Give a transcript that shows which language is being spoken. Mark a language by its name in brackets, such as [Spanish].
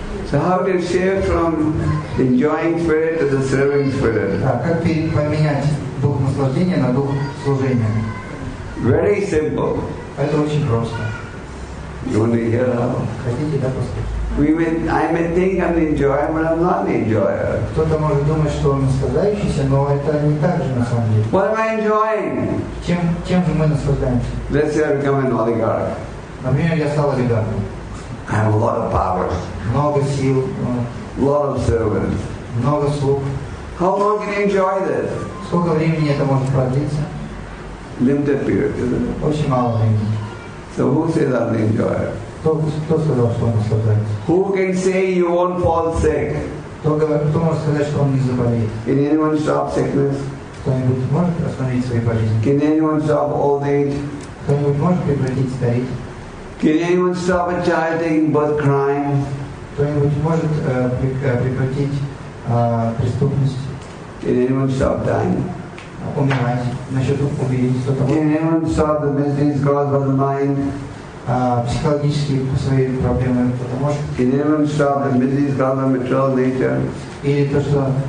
[English] So how do you shift from enjoying spirit to the serving spirit? [Russian] Как поменять дух наслаждения на дух служения? [English] Very simple. [Russian] Это очень просто. [English] You want to hear how? [Russian] Хотите, да, просто? [English] I may think I'm the enjoyer, but I'm not the enjoyer. [Russian] Кто-то может думать, что он наслаждающийся, но это не так же на самом деле. [English] What am I enjoying? [Russian] Чем же мы наслаждаемся? [English] Let's say I become an oligarch. [Russian] Например, я стал олигархом. [English] I have a lot of power. [Russian] Много сил. [English] Lot of servants. [Russian] Много слуг. [English] How long can I enjoy this? [Russian] Сколько времени это может продлиться? [English] Limited period, isn't it? [Russian] Очень мало времени. [English] So who says I'm the enjoyer? [Russian] Кто сказал, что он наслаждается? [English] Who can say you won't fall sick? [Russian] Кто может сказать, что он не заболеет? [English] Can anyone stop sickness? [Russian] Кто-нибудь может остановить свои болезни? [English] Can anyone stop old age? [Russian] Кто-нибудь может прекратить стареть? [English] Can anyone stop a child taking birth crime? [Russian] Кто-нибудь может прекратить преступность? [English] Can anyone stop dying? Can anyone solve the mysteries caused by the mind? Can anyone solve the mysteries caused by material nature?